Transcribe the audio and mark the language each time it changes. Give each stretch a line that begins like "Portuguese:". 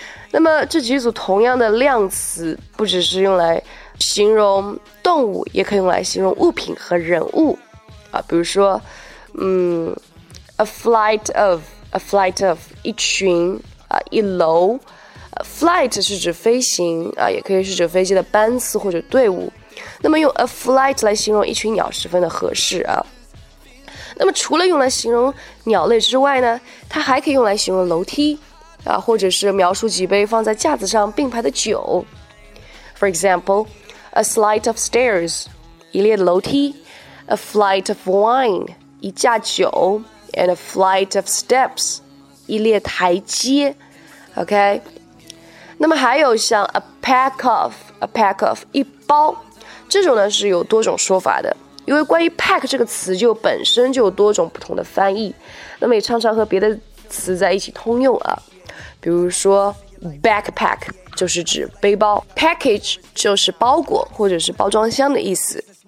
Chinese: 那么这几组同样的量词不只是用来形容动物，也可以用来形容物品和人物啊，比如说
English: A flight of
Chinese: 一群一楼 flight 是指飞行也可以是指飞机的班次或者队伍。那么用 a flight 来形容一群鸟十分的合适啊。那么除了用来形容鸟类之外呢，它还可以用来形容楼梯或者是描述几杯放在架子上并排的酒。
English: For example, a flight of stairs，
Chinese: 一列的楼梯
English: ；a flight of wine。
Chinese: 一架酒
English: and a flight of steps，
Chinese: 一列台阶
English: ，OK。
Chinese: 那么还有像
English: a pack of
Chinese: 一包，这种呢是有多种说法的，因为关于 pack 这个词就本身就有多种不同的翻译，那么也常常和别的词在一起通用啊。比如说 backpack 就是指背包 ，package 就是包裹或者是包装箱的意思。